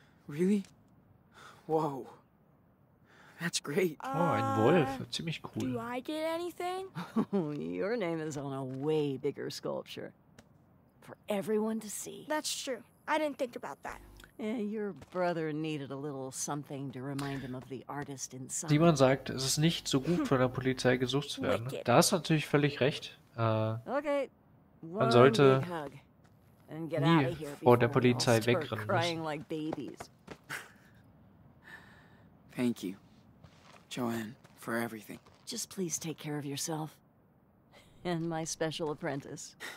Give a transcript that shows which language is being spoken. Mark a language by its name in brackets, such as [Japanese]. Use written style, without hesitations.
[English] Really? Whoa. That's great. [German] Oh, ein Wolf. Ziemlich cool. [English] Do I get anything? Your name is on a way bigger sculpture. For everyone to see. That's true. I didn't think about that. Yeah, your brother needed a little something to remind him of the artist inside. [German] Simon sagt, es ist nicht so gut, von der Polizei gesucht zu werden. Da hast du natürlich völlig recht. Okay. Man sollte nie vor der Polizei wegrennen müssen. [English] Thank you, Joanne, for everything. Just please take care of yourself and my special apprentice.